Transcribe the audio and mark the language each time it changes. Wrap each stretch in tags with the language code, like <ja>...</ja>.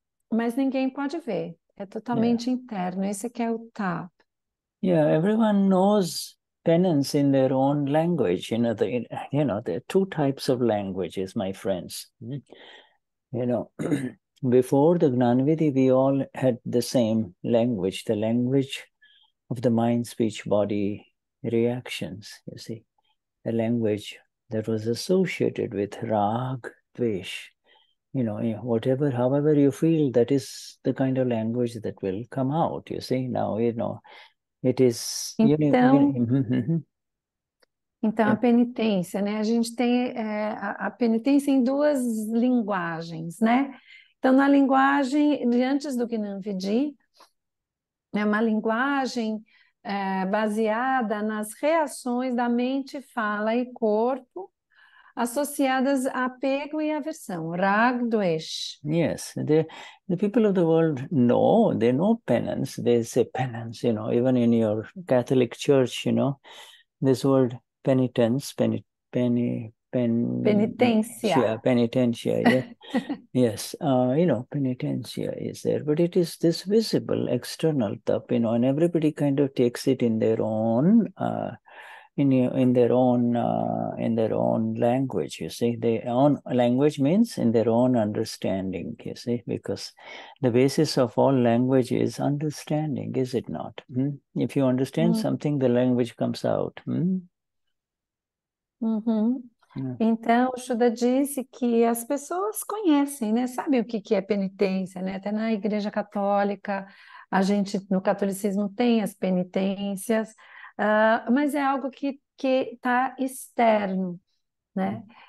<pt>Mas ninguém pode ver, é totalmente interno, esse que é o tap.</pt> <en>Yeah, everyone knows penance in their own language, you know, you know, there are two types of languages, my friends, you know. Before the Gnanavidhi, we all had the same language, the language of the mind, speech, body reactions, you see, a language that was associated with rag, dvesh, you know, whatever, however you feel, that is the kind of language that will come out, you see. Now, you know, it is...</en> <pt>Então, a penitência, né? A gente tem a penitência em duas linguagens, né? Então, na linguagem de antes do Gnanvidhi, É uma linguagem baseada nas reações da mente, fala e corpo, associadas a apego e aversão. Rag, dvesh.</pt> <en>Yes, the people of the world know, they know penance. They say penance, you know, even in your Catholic Church, you know, this word penitence,</en> <pt>penitencia.</pt> <en>Penitencia, yeah. Yes, you know, penitencia is there, but it is this visible external tap, you know, and everybody kind of takes it in their own in their own language, you see. Their own language means in their own understanding, you see, because the basis of all language is understanding, is it not? Hmm? If you understand something, the language comes out. Hmm?</en> <pt>Uhum. É. Então, o Shuddha disse que as pessoas conhecem, né? Sabem o que é penitência, né? Até na Igreja Católica, a gente, no catolicismo, tem as penitências, mas é algo que está externo, né?</pt>